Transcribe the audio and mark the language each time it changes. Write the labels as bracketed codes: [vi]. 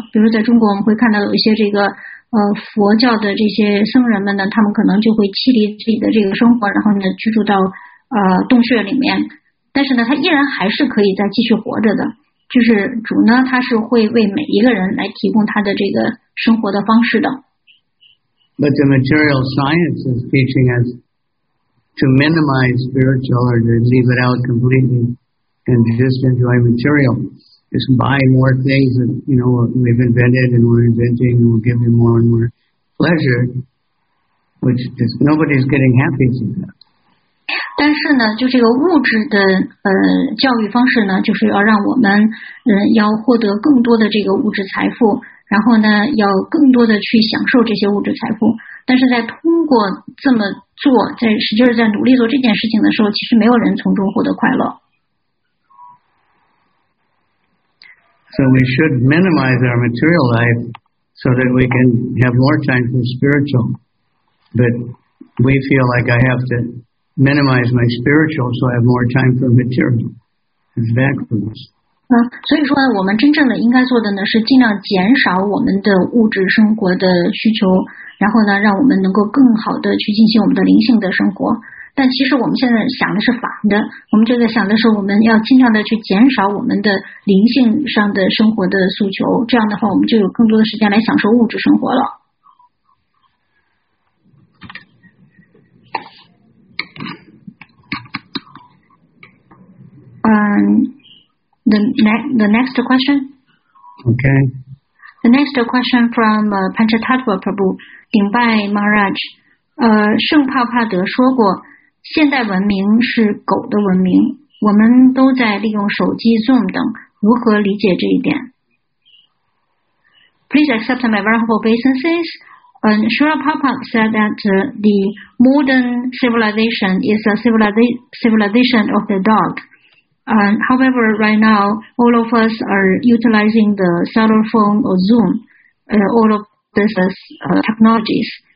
[zh] 比如在中国，我们会看到有一些这个佛教的这些僧人们呢，他们可能就会弃离自己的这个生活，然后呢居住到洞穴里面，但是呢他依然还是可以再继续活着的。就是主呢，他是会为每一个人来提供他的这个生活的方式的。 [en] But the material science is teaching us to minimize spiritual or to leave it out completely and just enjoy material. Just buy more things that, you know, we've invented and we're inventing and will give you more and more pleasure, which just, nobody's getting happy from that. [zh] 但是呢，就这个物质的教育方式呢，就是要让我们要获得更多的这个物质财富，然后呢要更多的去享受这些物质财富。但是在通过这么做，在实际上在努力做这件事情的时候，其实没有人从中获得快乐。 [en] So we should minimize our material life so that we can have more time for spiritual. But we feel like I have to minimize my spiritual so I have more time for material. It's backwards. [zh] 所以说呢，我们真正的应该做的呢，是尽量减少我们的物质生活的需求，然后呢，让我们能够更好的去进行我们的灵性的生活。但其实我们现在想的是反的，我们就在想的是我们要尽量的去减少我们的灵性上的生活的诉求，这样的话我们就有更多的时间来享受物质生活了。 [en] The next question. Okay. The next question from Panchatattva Prabhu, Dimbai Maharaj. [zh] 圣帕帕德说过，现代文明是狗的文明，我们都在利用手机 Zoom 等，如何理解这一点？ [en] Please accept my verbal obeisances. Srila Prabhupada said that the modern civilization is a civilization of the dog. However, right now, all of us are utilizing the cell phone or Zoom, all of these technologies.